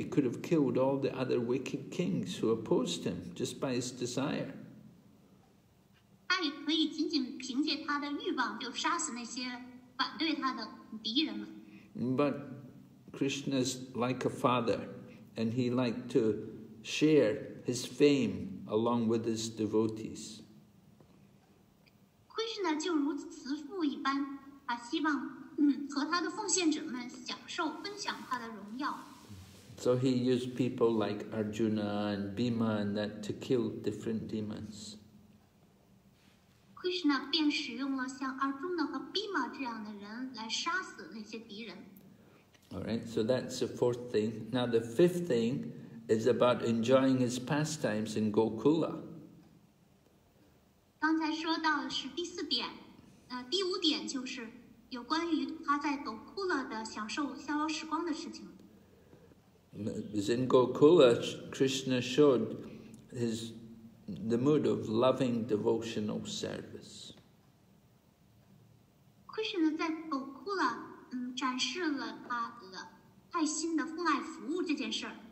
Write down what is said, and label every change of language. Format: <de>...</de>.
<en>He could have killed all the other wicked kings who opposed him just by his desire.</en> <zh>他也可以仅仅凭借他的欲望就杀死那些反对他的敌人们。</zh> <en>But Krishna's like a father, and he liked to share his fame along with his devotees.</en> <zh>Krishna 就如慈父一般，把希望和他的奉献者们享受分享他的荣耀。</zh> <en>So he used people like Arjuna and Bhima and that to kill different demons.</en> <zh>Krishna 便使用了像 Arjuna 和 Bhima 这样的人来杀死那些敌人。</zh> <en>All right, so that's the fourth thing. Now the fifth thing is about enjoying his pastimes in Gokula.</en> <zh>刚才说到的是第四点，第五点就是有关于他在 Gokula 的享受逍遥时光的事情。</zh> <en>In Gokula, Krishna showed the mood of loving devotional service.</en> <zh>Krishna 在 Gokula 展示了他爱心的奉爱服务这件事。</zh>